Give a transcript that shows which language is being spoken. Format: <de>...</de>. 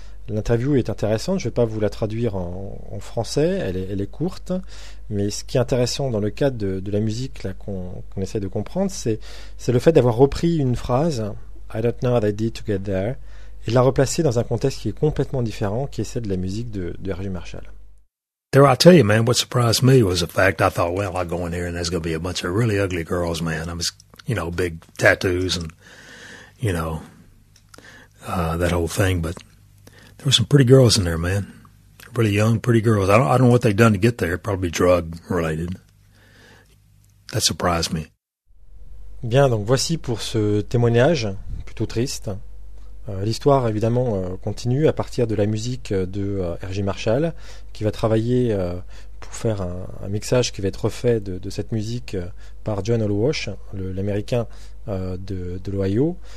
<fr>L'interview est intéressante, je ne vais pas vous la traduire en français, elle est courte, mais ce qui est intéressant dans le cadre de la musique là, qu'on essaie de comprendre, c'est le fait d'avoir repris une phrase</fr> <en>I don't know what I did to get there,</en> <fr>et la replacer dans un contexte qui est complètement différent, qui est celle de la musique de R.J. Marshall.</fr> <en>There, I tell you, man, what surprised me was the fact I thought, well, I go in here and there's going to be a bunch of really ugly girls, man. I'm, you know, big tattoos and, you know, that whole thing. But there were some pretty girls in there, man. Really young, pretty girls. I don't know what they've done to get there. Probably drug related. That surprised me.</en> <fr>Bien, donc voici pour ce témoignage plutôt triste. L'histoire évidemment continue à partir de la musique de R.J. Marshall, qui va travailler pour faire un mixage qui va être refait de cette musique par John Allwash, l'Américain de l'Ohio.</fr>